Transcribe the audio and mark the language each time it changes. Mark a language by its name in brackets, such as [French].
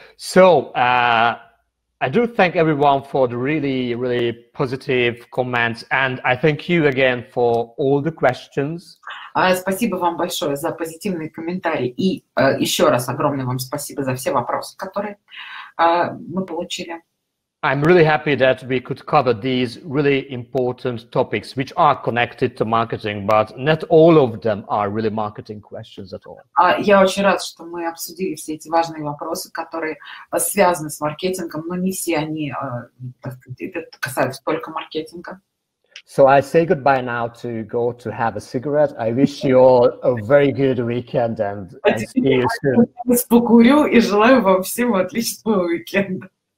[English] So, I do thank everyone for the really, really positive comments, and I thank you again for all the questions. [Russian] Спасибо вам большое за позитивные комментарии, и еще раз огромное вам спасибо за все вопросы, которые мы получили. [English] I'm really happy that we could cover these really important topics, which are connected to marketing, but not all of them are really marketing questions at all. [Russian] Я очень рад, что мы обсудили все эти важные вопросы, которые связаны с маркетингом, но не все они касаются только маркетинга. [English] So I say goodbye now to go to have a cigarette. I wish you all a very good weekend and see you soon. [Russian] Покурю и желаю вам всем отличного уикенда.